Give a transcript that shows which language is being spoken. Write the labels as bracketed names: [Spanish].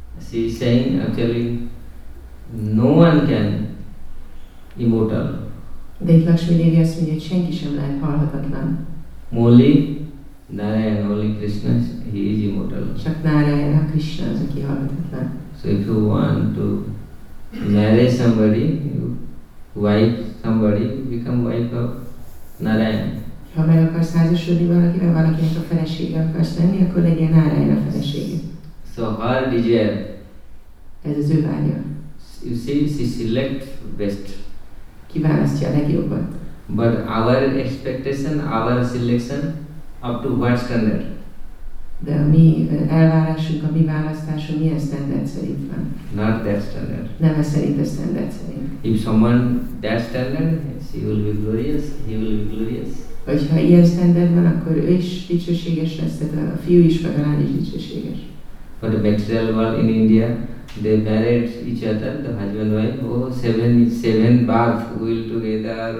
[English] She is saying, actually, no one can immortal. [Hungarian] De itt Lakshmi Devi azt mondja, hogy senki sem lehet halhatatlan. [English] Only Narayan, only Krishna, he is immortal. [Hungarian] Csak Narayan, a Krishna az, aki halhatatlan. [English] So if you want to marry somebody, wife somebody, become wife of Narayan. [Hungarian] Ha meg akarsz házasodni valakivel, valakinek a felesége akarsz lenni, akkor legyen Narayan a felesége. [English] So her desire. [Hungarian] Ez az ő vágya. [English] You see, she select best. [Hungarian] Kiválasztja a legjobbat. [English] But our expectation, our selection, up to what standard? [Hungarian] De a mi elvárásunk, a mi választásunk milyen standard szerint van? [English] Not that standard. [Hungarian] Nem ez szerint a standard szerint. [English] If someone that standard, he will be glorious, he will be glorious. [Hungarian] Hogyha ilyen standard van, akkor ő is dicsőséges lesz, tehát a fiú is, vagy a lány is dicsőséges. [English] For the material world in India, they married each other, the husband and wife. Oh, seven bath will together.